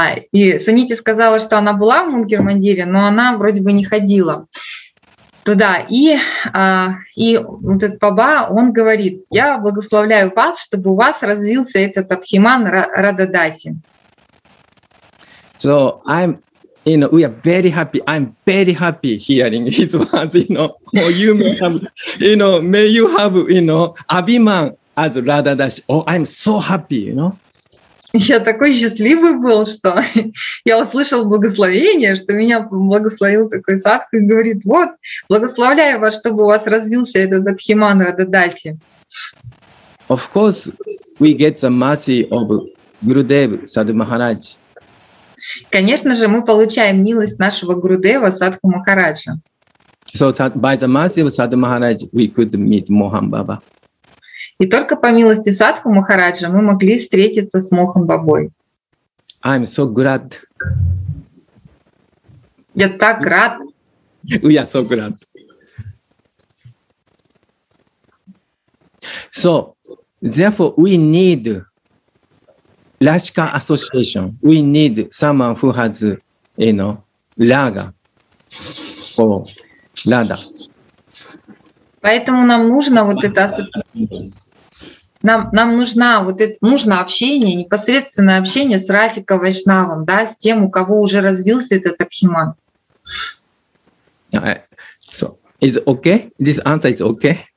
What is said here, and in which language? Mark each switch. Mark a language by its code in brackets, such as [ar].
[ru] И Санити сказала, что она была в Мунгер-Мандире, но она вроде бы не ходила туда. И вот этот Баба, он говорит, я благословляю вас, чтобы у вас развился этот Абхиман Рададаси. [en] So I'm, you know, we are very happy. I'm very happy hearing his words, you know. Or you may have, you know, may you have, you know, Abhiman as Radadaši. Oh, I'm so happy, you know. [ru] Я такой счастливый был, что я услышал благословение, что меня благословил такой садху и говорит, вот, благословляю вас, чтобы у вас развился этот Абхиман Рададаси. [en] Of course, we get the mercy of Gurudev Sadhu Maharaj. [ru] Конечно же, мы получаем милость нашего Гурудева Садху Махараджа. [en] So by the mercy of Sadhu Maharaj, we could meet Mohan Baba. [ru] И только по милости Садху Махараджа мы могли встретиться с Мохан Бабой. [en] I'm so glad. [ru] Я так рад. [en] We are so glad. So, therefore, we need Rashika Association. We need someone who has, you know, Raga or Radha. [ru] Поэтому нам нужно вот это Нам нужна вот это нужно общение, непосредственное общение с Расика Вайшнавом, да, с тем, у кого уже развился этот Абхиман. [en] So, is it okay? This answer is okay?